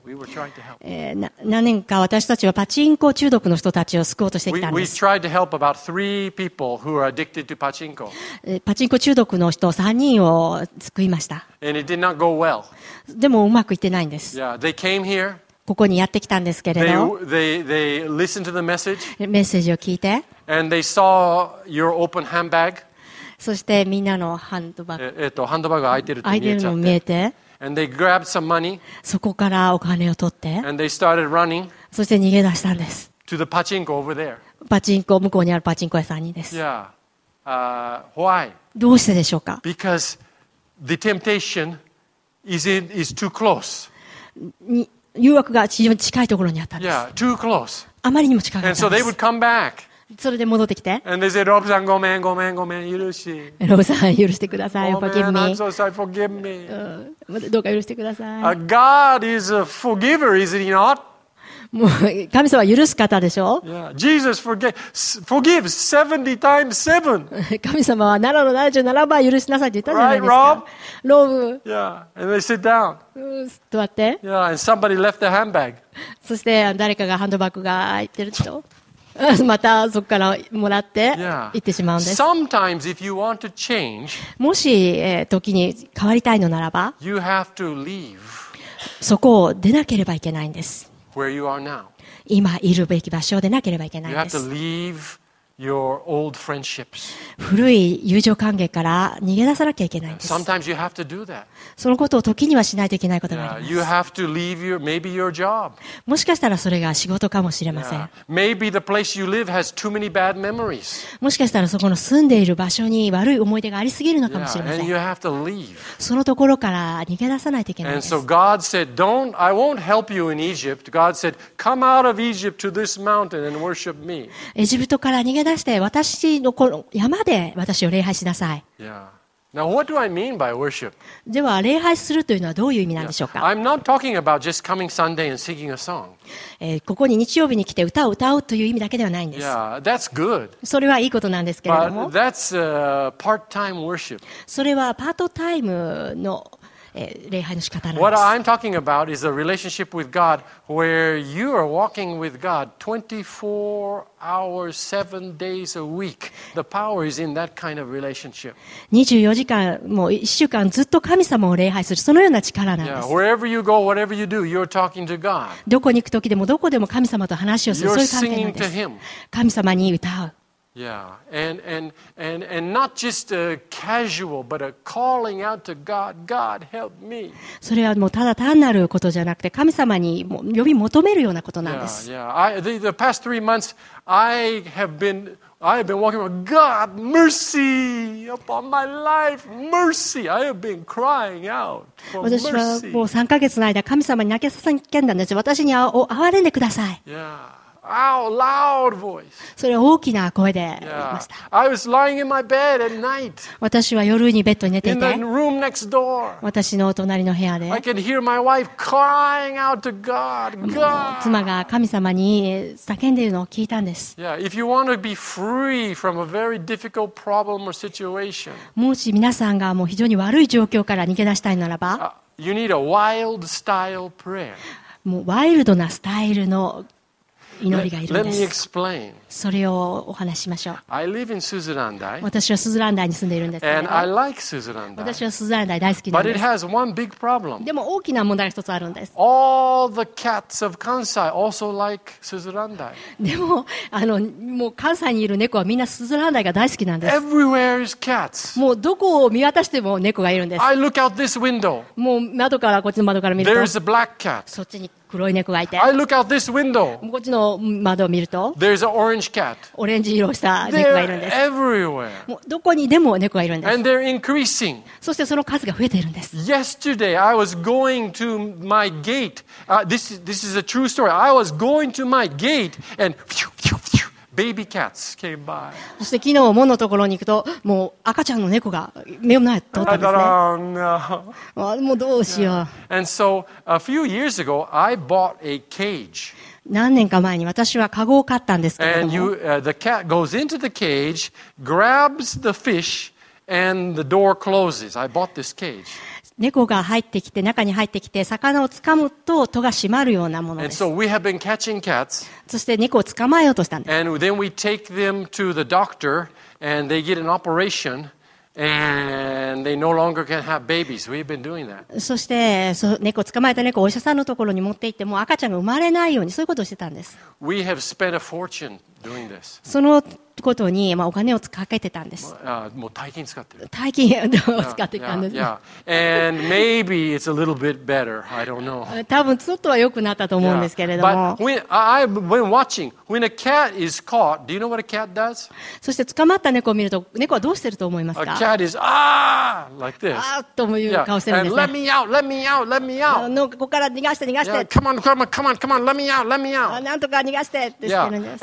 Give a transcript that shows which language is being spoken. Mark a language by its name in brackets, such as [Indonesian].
[English] We were trying to help. [Japanese] 何年か私たちはパチンコ中毒の人たちを救おうとしてきたんです。 [English] We tried to help about three people who are addicted to pachinko. [Japanese] パチンコ中毒の人3人を救いました。 [English] And it did not go well. [Japanese] でもうまくいってないんです。 [English] Yeah, they came here. [Japanese] ここにやってきたんですけれど、 [English] they listened to the message, [Japanese] メッセージを聞いて、 [English] and they saw your open handbag, [Japanese] そしてみんなのハンドバッグ、ハンドバッグが開いてるって見えちゃって、見えて、 [English] and they grabbed some money, [Japanese] そこからお金を取って、 [English] and they started running, [Japanese] そして逃げ出したんです、 [English] to the pachinko over there, [Japanese] パチンコ向こうにあるパチンコ屋さんにです、 [English] yeah, why? [Japanese] どうしてでしょうか、 [English] because the temptation is too close. [Japanese] 誘惑が非常に近いところにあったんです。 [English] Yeah, too close. [Japanese] あまりにも近かったんです。 [English] And so they would come back. [Japanese] それで戻ってきて。 And they said, Rob-san, ごめん、ごめん、ごめん、許し。ロブさん、許してください。 [English] Forgive me. I'm so sorry. Forgive me. [Japanese] どうか許してください。 [English] God is a forgiver, is he not? [Japanese] もう神様は許す方でしょ。 [English] Yeah. Jesus forgives 70 times 7. [Japanese] 神様は7の77倍許しなさいって言ったじゃないですか。 [English] Right, Rob? [Japanese] ロブ。 [English] Yeah. And they sit down. [Japanese] 座って。 [English] Yeah, and somebody left the handbag. [Japanese] そして誰かがハンドバッグが入ってる人。またそこからもらって行ってしまうんです。 [English] Yeah. Sometimes if you want to change, [Japanese] もし時に変わりたいのならば、 [English] you have to leave. [Japanese] そこを出なければいけないんです。 [English] Where you are now. [Japanese] 今いるべき場所でなければいけないんです。 [English] You have to leave your old friendships. [Japanese] 古い友情関係から逃げ出さなきゃいけないんです。 [English] Sometimes you have to do that. [Japanese] そのことを時にはしないといけないことがあります。 [English] Yeah, you have to leave your, maybe your job. [Japanese] もしかしたらそれが仕事かもしれません。 [English] Yeah. Maybe the place you live has too many bad memories. [Japanese] もしかしたらそこの住んでいる場所に悪い思い出がありすぎるのかもしれません。 [English] Yeah. And you have to leave. [Japanese] そのところから逃げ出さないといけないんです。 [English] And so God said, "Don't. I won't help you in Egypt." God said, "Come out of Egypt to this mountain and worship me." [Japanese] エジプトから逃げ出して私のこの山で私を礼拝しなさい。 [English] Now, what do I mean by worship? [Japanese] では礼拝するというのはどういう意味なんでしょうか。 [English] I'm not talking about just coming Sunday and singing a song. [Japanese] ここに日曜日に来て歌を歌うという意味だけではないんです。 [English] Yeah, that's good. [Japanese] それはいいことなんですけれども。 [English] But that's part-time worship. [Japanese] それはパートタイムの礼拝の仕方なんです。 [English] What I'm talking about is a relationship with God where you are walking with God 24 hours, 7 days a week. The power is in that kind of relationship. [Japanese] 24時間、もう1週間ずっと神様を礼拝する、そのような力なんです。 [English] Yeah, wherever you go, whatever you do, you're talking to God. [Japanese] どこに行く時でもどこでも神様と話をする、そういう関係なんです。 [English] You're singing to Him. [Japanese] 神様に歌う。 [English] Yeah, and not just a casual, but a calling out to God. God, help me. [Japanese] それはもうただ単なることじゃなくて、神様に呼び求めるようなことなんです。 [English] Yeah, yeah. The past three months, I have been walking with God. Mercy upon my life. Mercy. I have been crying out for mercy. [Japanese] 私はもう3ヶ月の間、神様に泣き叫んだんです。私に憐れんでください。 [English] Yeah. Out loud voice. [Japanese] それは大きな声で言いました。 [English] Yeah. I was lying in my bed at night. [Japanese] 私は夜にベッドに寝ていて。 [English] In the room next door. [Japanese] 私の隣の部屋で。 [English] I could hear my wife crying out to God. God. [Japanese] 妻が神様に叫んでいるのを聞いたんです。 [English] Yeah. If you want to be free from a very difficult problem or situation. [Japanese] もし皆さんがもう非常に悪い状況から逃げ出したいならば。 [English] You need a wild style prayer. [Japanese] もうワイルドなスタイルの祈りがいるんです。 [English] Let me explain. [Japanese] それをお話ししましょう。 [English] I live in Suzurandai. [Japanese] 私はスズランダイに住んでいるんですけど。 [English] And I like Suzurandai. [Japanese] 私はスズランダイ大好きなんです。 [English] But it has one big problem. [Japanese] でも大きな問題が一つあるんです。 [English] All the cats of Kansai also like Suzurandai. [Japanese] でも、もう関西にいる猫はみんなスズランダイが大好きなんです。 [English] Everywhere is cats. [Japanese] もうどこを見渡しても猫がいるんです。 [English] I look out this window. [Japanese] もう窓からこっちの窓から見ると。 [English] There is a black cat. [Japanese] そっちに。黒い猫がいて、 [English] I look out this window. [Japanese] こっちの窓を見ると、 [English] There's an orange cat. [Japanese] オレンジ色をした猫がいるんです。 [English] They're everywhere. [Japanese] もうどこにでも猫がいるんです。 [English] And they're increasing. [Japanese] そしてその数が増えているんです。 [English] Yesterday, I was going to my gate. This is a true story. I was going to my gate and phew, phew, phew, baby cats came by. [Japanese] そして昨日門のところに行くと、もう赤ちゃんの猫が目の前を通ったんですね。 [English] Oh, no. [Japanese] もうどうしよう。 [English] And so, a few years ago, I bought a cage. [Japanese] 何年か前に私はカゴを買ったんですけれども。 [English] And the cat goes into the cage, grabs the fish, and the door closes. I bought this cage. [Japanese] 猫が入ってきて、中に入ってきて、魚を掴むと戸が閉まるようなものです。 [English] And so we have been catching cats. [Japanese] そして猫を捕まえようとしたんです。 [English] And then we take them to the doctor, and they get an operation. And they no longer can have babies. We've been doing that. [Japanese] そして、猫捕まえた猫をお医者さんのところに持って行って、もう赤ちゃんが生まれないように、そういうことをしてたんです。 [English] We have spent a fortune doing this. [Japanese] そのことに、まあ、お金をかけてたんです。もう大金使ってる。大金を使ってたんです。 [English] Yeah, yeah, yeah. And maybe it's a little bit better. I don't know. [Japanese] 多分ちょっとは良くなったと思うんですけれども。 [English] Yeah. But when watching, when a cat is caught, do you know what a cat does? [Japanese] そして捕まった猫を見ると、猫はどうしてると思いますか？ [English] A cat is ah like this. [Japanese] あーという顔してるんですね。 [English] Let me out! Let me out! Let me out! [Japanese] ここから逃がして逃がして。 [English] Yeah, come on! Come on! Come on! Come on! Let me out! Let me out! [Japanese] なんとか逃がしてってしてるんです。